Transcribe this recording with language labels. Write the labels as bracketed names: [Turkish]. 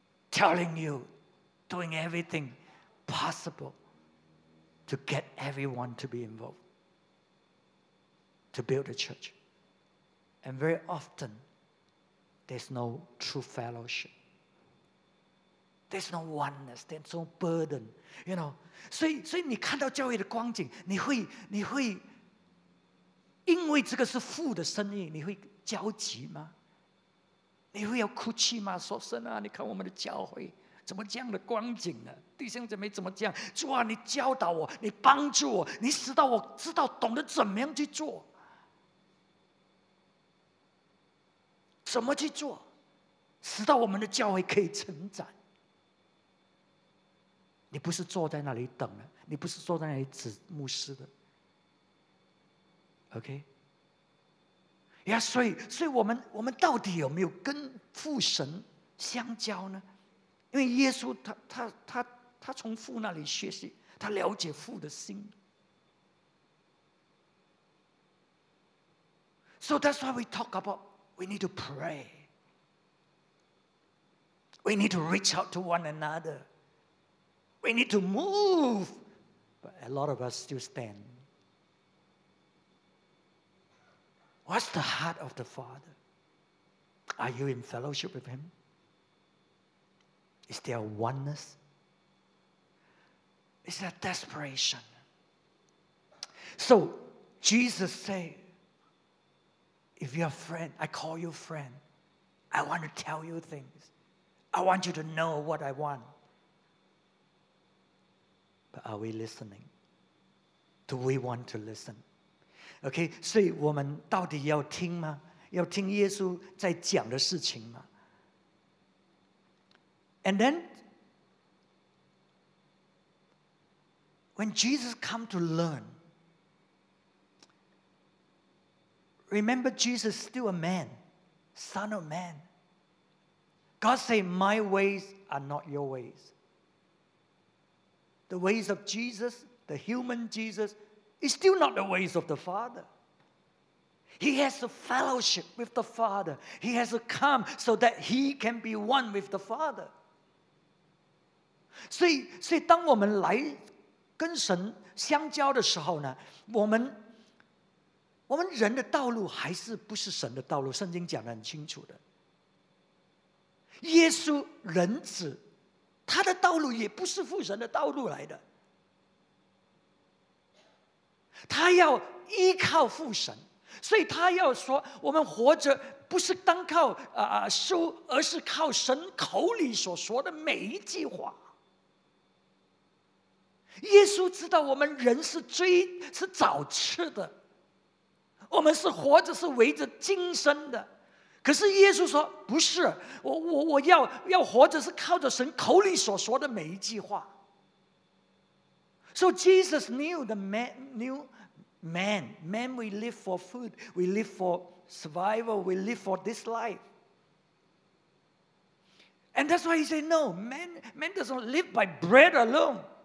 [English] Telling you, doing everything possible. To get everyone to be involved, to build a church. And very often, there's no true fellowship. There's no oneness, there's no burden, you know. [Chinese] 所以你看到教会的光景，你会因为这个是父的生意，你会焦急吗？你会要哭泣吗？说神啊，你看我们的教会。怎么这样的光景呢？弟兄姊妹怎么这样？主啊，你教导我，你帮助我，你使到我知道懂得怎么样去做，怎么去做，使到我们的教会可以成长。你不是坐在那里等的，你不是坐在那里指牧师的。 OK？呀，所以我们到底有没有跟父神相交呢？因为耶稣 他从父那里学习，他了解父的心。 [English] So that's why we talk about we need to pray. We need to reach out to one another. We need to move. But a lot of us still stand. What's the heart of the Father? Are you in fellowship with him? Is there oneness? It's a desperation. So Jesus said, if you're a friend, I call you friend. I want to tell you things. I want you to know what I want. But are we listening? Do we want to listen? [Chinese] Okay, 所以我们到底要听吗？要听耶稣在讲的事情吗？ [English] And then, when Jesus come to learn, remember Jesus still a man, son of man. God say, my ways are not your ways. The ways of Jesus, the human Jesus, is still not the ways of the Father. He has a fellowship with the Father. He has to come so that he can be one with the Father. [Chinese] 所以当我们来跟神相交的时候呢，我们人的道路还是不是神的道路，圣经讲得很清楚的。耶稣人子，他的道路也不是父神的道路来的，他要依靠父神，所以他要说我们活着不是单靠书，而是靠神口里所说的每一句话。耶稣知道我们人是找吃的，我们是活着是围着今生的，可是耶稣说不是，我要活着是靠着神口里所说的每一句话。 [English] So Jesus knew the man we live for food, we live for survival, we live for this life. And that's why he said no, man doesn't live by bread alone.